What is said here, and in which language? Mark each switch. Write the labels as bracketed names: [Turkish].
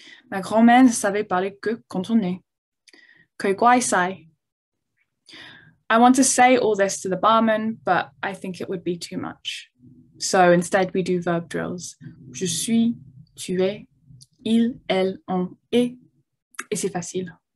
[French] Ma grand-mère ne savait parler que cantonais. Que quoi ça? [English] I want to say all this to the barman, but I think it would be too much. So instead we do verb drills. [French] Je suis, tu es, il, elle, on est, et c'est facile.